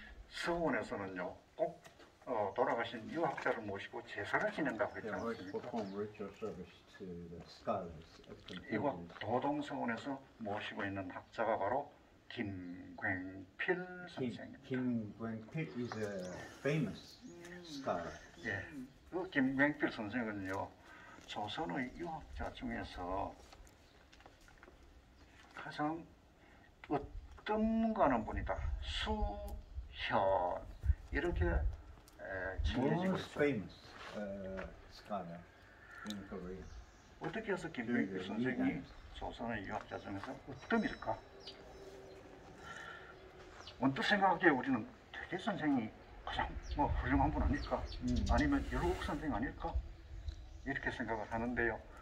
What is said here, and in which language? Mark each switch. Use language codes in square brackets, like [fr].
[ko] 서원에서는요, 꼭 돌아가신 유학자를 모시고 제사를 지낸다고 했지 않습니까? [en] Yeah, perform ritual service to the scholars. [ko] 이거 도동서원에서 모시고 있는 학자가 바로 김광필 선생입니다. [en] 김광필 is a famous scholar. [ko] 예. 그 김광필 선생은요, 조선의 유학자 중에서 가장 으뜸가는 분이다. 수현 이렇게 칭해지고 있어요. [en] Most famous scholar in Korea. [ko] 어떻게 해서 김광필 선생이 조선의 유학자 중에서 으뜸일까? 언뜻 생각하기에 우리는 되게 선생이 가장 뭐 훌륭한 분 아닐까? 아니면 유록 선생 아닐까? 이렇게 생각을 하는데요.